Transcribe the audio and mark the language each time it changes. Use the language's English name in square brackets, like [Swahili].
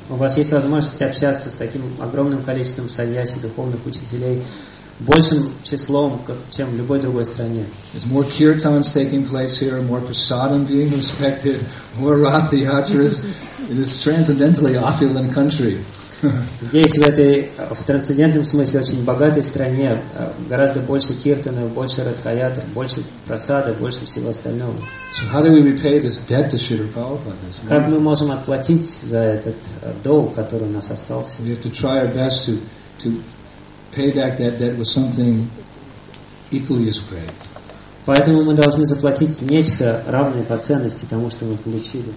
[Russian] У вас есть возможность общаться с таким огромным количеством саньяси, духовных учителей, большим числом, чем в любой другой стране. [English] There's more kirtans taking place here, more prasadam being respected, more Radha yatras. It is transcendentally opulent country. [Russian] Здесь, в трансцендентном смысле, очень богатой стране, гораздо больше киртана, больше радхаятр, больше прасада, больше всего остального. [English] So how do we repay this debt to Srila Prabhupada? [Russian] Как мы можем отплатить за этот долг, который у нас остался? [English] We have to try our best to pay back that debt with something equally as great. [Russian] Поэтому мы должны заплатить нечто равное по ценности тому, что мы получили.